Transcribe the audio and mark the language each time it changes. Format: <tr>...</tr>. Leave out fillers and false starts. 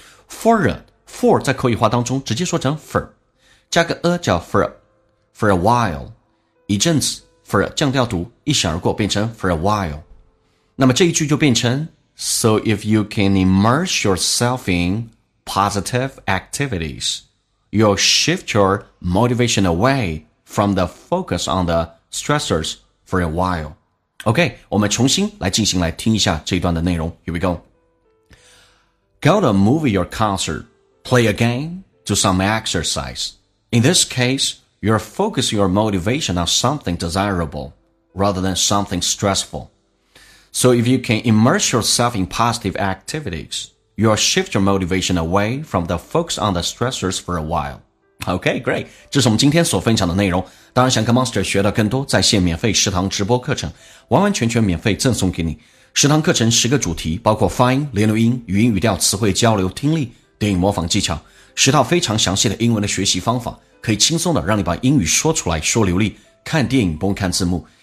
<zh>For 在口语化当中直接说成 for, 加个 a 叫</zh> <en>for a while,</en> <zh>一阵子 for 降调读一闪而过变成 for a while. 那么这一句就变成</zh> <en>So if you can immerse yourself in. Positive activities. You'll shift your motivation away from the focus on the stressors for a while.</en> <zh>OK, 我们重新来进行来听一下这一段的内容。</zh> <en>Here we go. Go to a movie or concert, play a game, do some exercise. In this case, you're focusing your motivation on something desirable rather than something stressful. So if you can immerse yourself in positive activities,You'll shift your motivation away from the focus on the stressors for a while. OK, great.</en> <zh>这是我们今天所分享的内容。当然想跟 Monster 学到更多在线免费食堂直播课程完完全全免费赠送给你。食堂课程十个主题包括发音、连读音、语音语调、词汇交流、听力、电影模仿技巧。十套非常详细的英文的学习方法可以轻松的让你把英语说出来说流利看电影不用看字幕。</zh>